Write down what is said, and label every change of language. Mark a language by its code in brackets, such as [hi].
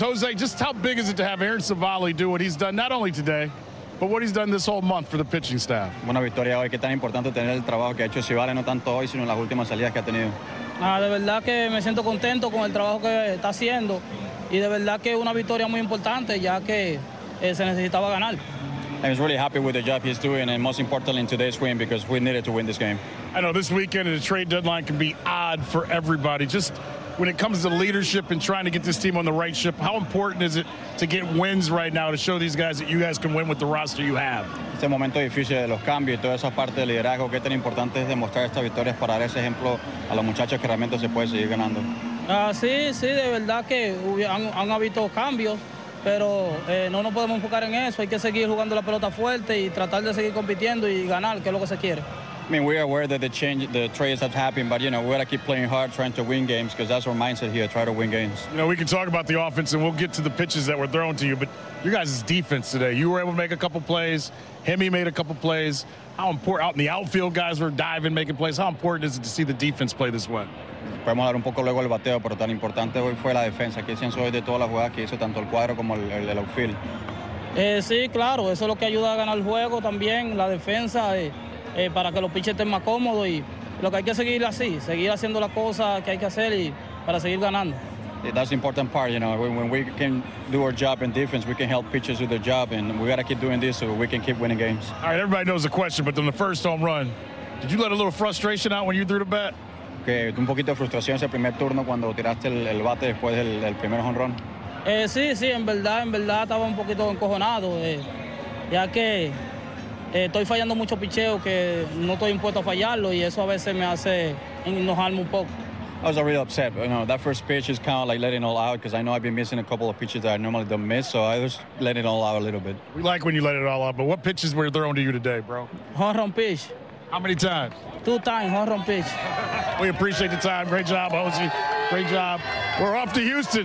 [en] Jose, just how big is it to have Aaron Civale do what he's done, not only today, but what he's done this whole month for the pitching staff? [es] Buena victoria hoy. Qué tan importante tener el trabajo que ha hecho Civale, no tanto hoy, sino en las últimas salidas que ha tenido. Ah, de verdad que me siento contento con el trabajo que está haciendo. Y de verdad que una victoria muy importante, ya que se necesitaba ganar. [en] I was really happy with the job he's doing, and most importantly in today's win, because we needed to win this game. I know this weekend and the trade deadline can be odd for everybody. Just when it comes to leadership and trying to get this team on the right ship, how important is it to get wins right now to show these guys that you guys can win with the roster you have? [es] Este momento difícil de los cambios y toda esa parte de liderazgo, qué tan importante es demostrar estas victorias para dar ese ejemplo a los muchachos que realmente se puede seguir ganando. Sí, de verdad que han habido cambios. Pero no nos podemos enfocar en eso. Hay que seguir jugando la pelota fuerte y tratar de seguir compitiendo y ganar, que es lo que se quiere. [en] I mean, we are aware that the trades have happened, but, you know, we got to keep playing hard, trying to win games, because that's our mindset here, try to win games. You know, we can talk about the offense, and we'll get to the pitches that were thrown to you, but you guys' defense today, you were able to make a couple plays. Hemi made a couple plays. How important, out in the outfield, guys were diving, making plays. How important is it to see the defense play this way? [es] Podemos dar un poco luego el bateo, pero tan importante hoy fue la defensa. ¿Qué siento hoy de todas las jugadas que hizo tanto el cuadro como el outfield? Sí, claro. Eso es lo que ayuda a ganar el juego también, la defensa, para que los pitchers estén más cómodos. Y lo que hay que seguir así, seguir haciendo las cosas que hay que hacer y para seguir ganando. [en] That's the important part, you know. When we can do our job in defense, we can help pitchers do their job. And we got to keep doing this so we can keep winning games. All right, everybody knows the question, but on the first home run, did you let a little frustration out when you threw the bat? [es] Que un poquito de frustración ese primer turno cuando tiraste el bate después del primer jonrón. Sí, en verdad estaba un poquito encojonado, ya que estoy fallando mucho picheo que no estoy impuesto a fallarlo y eso a veces me hace enojarme un poco. [en] I was really upset, but, you know, that first pitch is kind of like letting all out because I know I've been missing a couple of pitches that I normally don't miss, so I was letting it all out a little bit. We like when you let it all out, but what pitches were thrown to you today, bro? [es] Jonrón pitch. [en] How many times? Two times, home run pitch. We appreciate the time. Great job, Jose. Great job. We're off to Houston.